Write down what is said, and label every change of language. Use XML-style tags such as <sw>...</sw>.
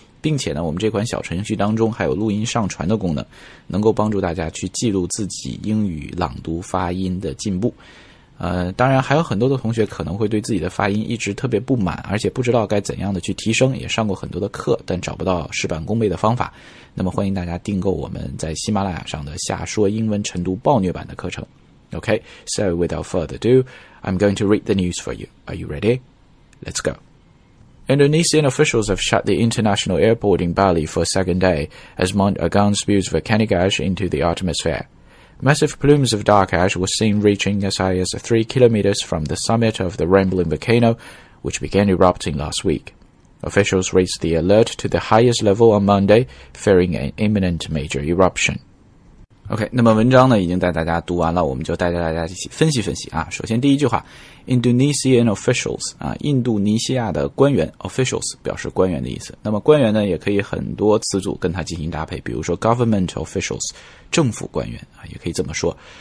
<zh>并且呢，我们这款小程序当中还有录音上传的功能，能够帮助大家去记录自己英语朗读发音的进步。当然还有很多的同学可能会对自己的发音一直特别不满，而且不知道该怎样的去提升，也上过很多的课但找不到事半功倍的方法。那么欢迎大家订购我们在喜马拉雅上的下说英文晨读暴虐版的课程。</zh> <en>OK, so without further ado, I'm going to read the news for you. Are you ready? Let's goIndonesian officials have shut the international airport in Bali for a second day as Mount Agung spews volcanic ash into the atmosphere. Massive plumes of dark ash were seen reaching as high as 3 kilometers from the summit of the rambling volcano, which began erupting last week. Officials raised the alert to the highest level on Monday, fearing an imminent major eruption.</en> <zh>OK, 那么文章呢已经带大家读完了，我们就带着大家一起分析分析啊。首先第一句话 ,</zh> <en>Indonesian officials,</en> <zh>啊，印度尼西亚的官员 ,officials, 表示官员的意思。那么官员呢也可以很多词组跟它进行搭配，比如说</zh> <en>government officials,</en> <zh>政府官员啊，也可以这么说。</zh>